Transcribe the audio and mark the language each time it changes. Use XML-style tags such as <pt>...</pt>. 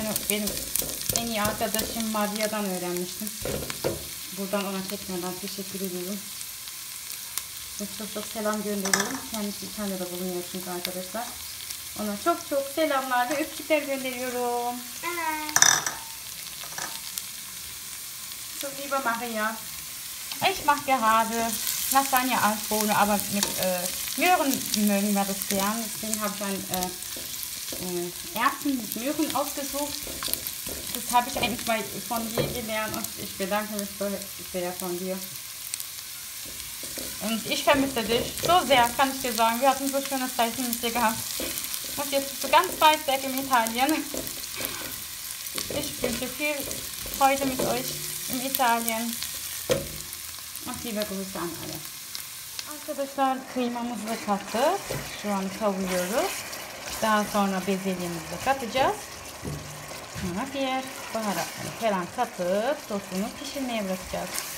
<tr>Benim en iyi arkadaşım Maria'dan öğrenmiştim. Buradan ona çekmeden teşekkür ediyorum. Çok çok, çok selam gönderiyorum. Kendisi İtalya'da bulunuyor çünkü arkadaşlar. Ona çok çok selamlar ve öpücükler gönderiyorum.</tr> <de>So lieber Maria, ich mache gerade Lasagne als Bohne, aber mit Möhren mögen wir das gern. Deswegen habe ich dann Erbsen mit Möhren ausgesucht. Das habe ich eigentlich mal von dir gelernt und ich bedanke mich so sehr von dir. Und ich vermisse dich so sehr, kann ich dir sagen. Wir hatten so schöne Zeiten mit dir gehabt. Und jetzt bist du ganz weit weg in Italien. Ich wünsche viel Freude mit euch in Italien. Und liebe Grüße an alle.</de> <tr>Arkadaşlar kıymamızı kattık. Şu an kavuruyoruz. Daha sonra bezelyemizi katacağız. Sonra diğer baharatları falan katıp sosunu pişirmeye bırakacağız.</tr>